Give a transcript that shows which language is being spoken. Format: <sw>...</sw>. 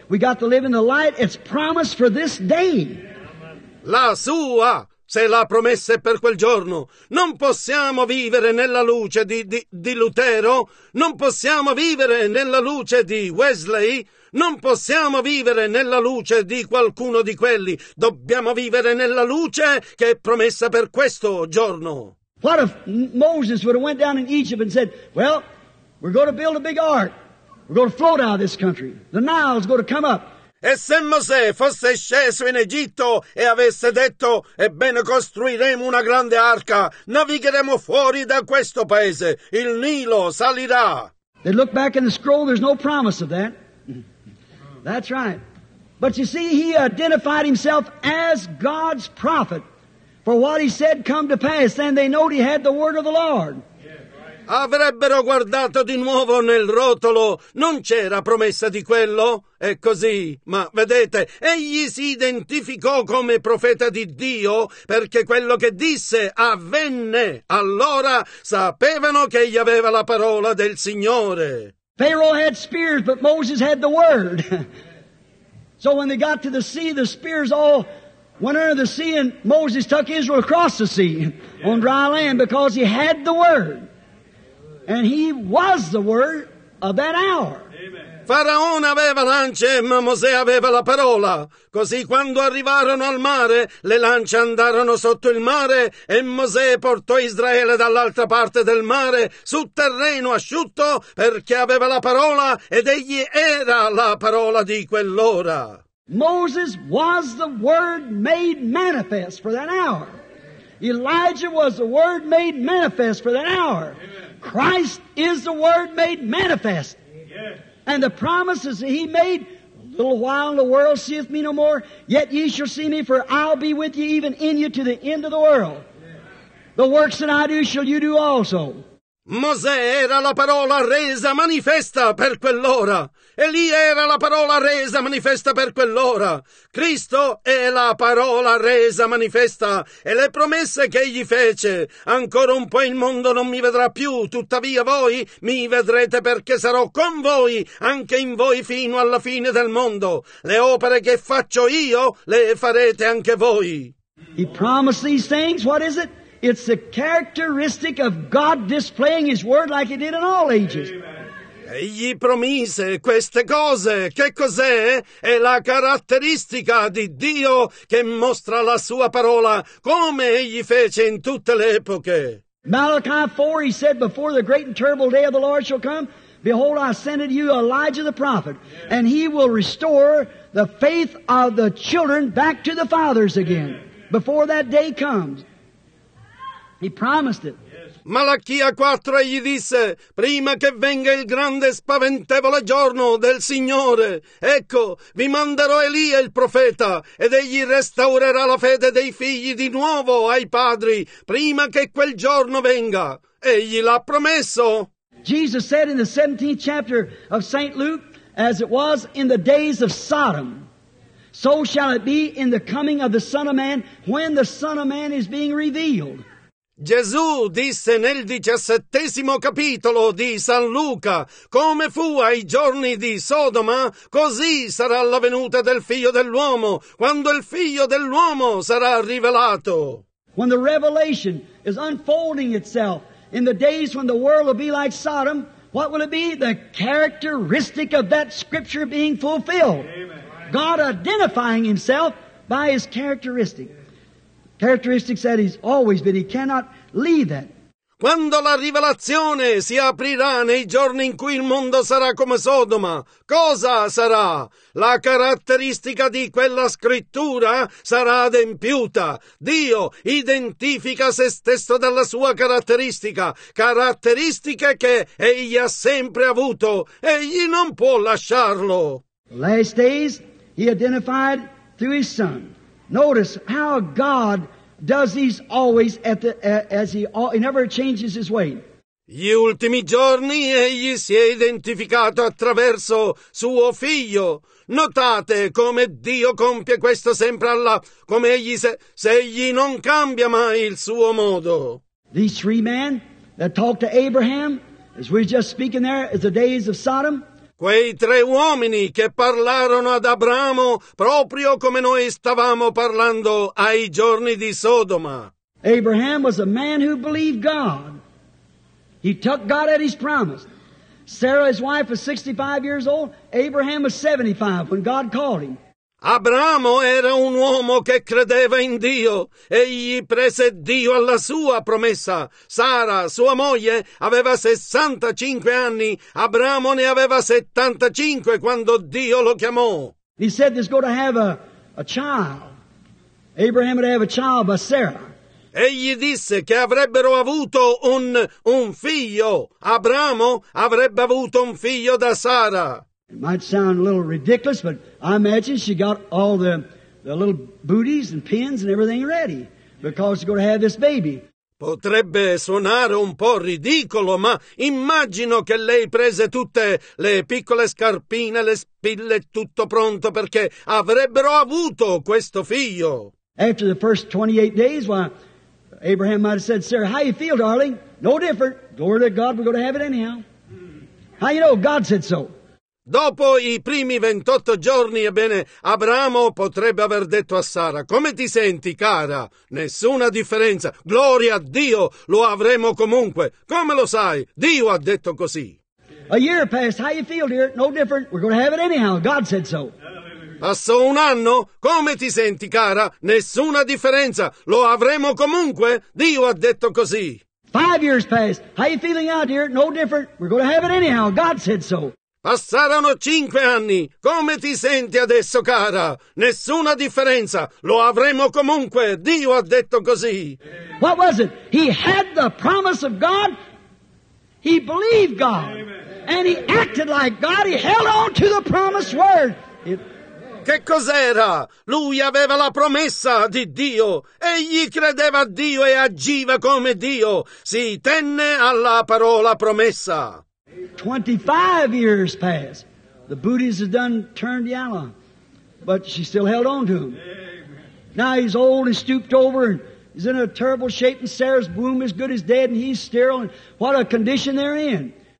<en>We got to live in the light, it's promised for this day.</en> <it>La sua se la promessa è per quel giorno. Non possiamo vivere nella luce di Lutero, non possiamo vivere nella luce di Wesley, non possiamo vivere nella luce di qualcuno di quelli. Dobbiamo vivere nella luce che è promessa per questo giorno.</it> <en>What if Moses would have went down in Egypt and said, well, we're going to build a big ark. We're going to float out of this country. The Nile is going to come up.</en> <it>E se Mosè fosse sceso in Egitto e avesse detto, ebbene, costruiremo una grande arca, navigheremo fuori da questo paese, il Nilo salirà.</it> <en>They look back in the scroll, there's no promise of that. That's right. But you see, he identified himself as God's prophet for what he said come to pass. Then they know he had the word of the Lord.</en> <it>Avrebbero guardato di nuovo nel rotolo, non c'era promessa di quello, è così, ma vedete, egli si identificò come profeta di Dio perché quello che disse avvenne, allora sapevano che egli aveva la parola del Signore.</it> <en>Pharaoh had spears, but Moses had the word. So when they got to the sea, the spears all went under the sea and Moses took Israel across the sea on dry land because he had the word. And he was the word of that hour.</en> <it>Faraone aveva lance, ma Mosè aveva la parola. Così quando arrivarono al mare, le lance andarono sotto il mare e Mosè portò Israele dall'altra parte del mare, su terreno asciutto, perché aveva la parola ed egli era la parola di quell'ora.</it> <en>Moses was the word made manifest for that hour. Elijah was the word made manifest for that hour. Christ is the Word made manifest. Yes. And the promises that He made, a little while the world seeth me no more, yet ye shall see me, for I'll be with you even in you to the end of the world. Yes. The works that I do shall you do also.</en> <it>Mosè era la parola resa manifesta per quell'ora. Elia era la parola resa manifesta per quell'ora. Cristo è la parola resa manifesta e le promesse che egli fece. Ancora un po' il mondo non mi vedrà più, tuttavia voi mi vedrete perché sarò con voi, anche in voi fino alla fine del mondo. Le opere che faccio io le farete anche voi.</it> <en>He promised these things, what is it? It's the characteristic of God displaying His Word like He did in all ages.</en> <it>Egli promise queste cose. Che cos'è? È la caratteristica di Dio che mostra la Sua parola come Egli fece in tutte le epoche.</it> <en>Malachi 4, He said, before the great and terrible day of the Lord shall come, behold, I send unto you Elijah the prophet, and he will restore the faith of the children back to the fathers again. Before that day comes. He promised it.</en> <it>Malachia 4 gli disse, prima che venga il grande e spaventevole giorno del Signore, ecco, vi manderò Elia il profeta, ed egli restaurerà la fede dei figli di nuovo ai padri, prima che quel giorno venga. Egli l'ha promesso.</it> <en>Jesus said in the 17th chapter of St. Luke, as it was in the days of Sodom, so shall it be in the coming of the Son of Man, when the Son of Man is being revealed.</en> <it>Gesù disse nel 17° capitolo di San Luca, come fu ai giorni di Sodoma, così sarà la venuta del Figlio dell'uomo, quando il Figlio dell'uomo sarà rivelato.</it> <en>When the revelation is unfolding itself in the days when the world will be like Sodom, what will it be? The characteristic of that scripture being fulfilled. God identifying himself by his characteristic. Characteristics that he's always been, he cannot leave that.</en> <it>Quando la rivelazione si aprirà nei giorni in cui il mondo sarà come Sodoma, cosa sarà? La caratteristica di quella scrittura sarà adempiuta. Dio identifica se stesso dalla sua caratteristica, caratteristiche che egli ha sempre avuto. Egli non può lasciarlo.</it> <en>Last days, he identified through his son. Notice how God does these always at the as he never changes his way.</en> <it>Gli ultimi giorni egli si è identificato attraverso suo figlio. Notate come Dio compie questo sempre alla come egli se egli non cambia mai il suo modo.</it> <en>These three men that talked to Abraham, as we were just speaking there, as the days of Sodom.</en> <it>quei tre uomini che parlarono ad Abramo proprio come noi stavamo parlando ai giorni di Sodoma.</it> <en>Abraham was a man who believed God. He took God at his promise. Sarah, his wife, was 65 years old. Abraham was 75 when God called him.</en> <it>Abramo era un uomo che credeva in Dio. Egli prese Dio alla sua promessa. Sara, sua moglie, aveva 65 anni. Abramo ne aveva 75 quando Dio lo chiamò.</it> <en>He said he's going to have a child. Abraham would have a child by Sarah.</en> <it>Egli disse che avrebbero avuto un figlio. Abramo avrebbe avuto un figlio da Sara.</it> <en>It might sound a little ridiculous, but I imagine she got all the little booties and pins and everything ready because she's going to have this baby.</en> <it>Potrebbe suonare un po' ridicolo, ma immagino che lei prese tutte le piccole scarpine, le spille, tutto pronto perché avrebbero avuto questo figlio.</it> <en>After the first 28 days, why, Abraham might have said, Sarah, how you feel, darling? No different. Glory to God, we're going to have it anyhow. How you know? God said so.</en> <it>Dopo i primi 28 giorni, ebbene, Abramo potrebbe aver detto a Sara, come ti senti, cara? Nessuna differenza. Gloria a Dio, lo avremo comunque. Come lo sai? Dio ha detto così.</it> <en>A year passed. How you feel, dear? No different. We're going to have it anyhow. God said so.</en> <it>Passò un anno. Come ti senti, cara? Nessuna differenza. Lo avremo comunque. Dio ha detto così.</it> <en>5 years passed. How you feeling out here? No different. We're going to have it anyhow. God said so.</en> <it>Passarono 5 anni. Come ti senti adesso, cara? Nessuna differenza. Lo avremo comunque. Dio ha detto così.</it> <en>What was it? He had the promise of God. He believed God. Amen. And he acted like God. He held on to the promised word.</en> <it>Che cos'era? Lui aveva la promessa di Dio. Egli credeva a Dio e agiva come Dio. Si tenne alla parola promessa.</it> <en>25 years passed. The booties had done turned yellow, but she still held on to him. Now he's old and stooped over and he's in a terrible shape and Sarah's womb is good as dead and he's sterile. And what a condition they're in.</en>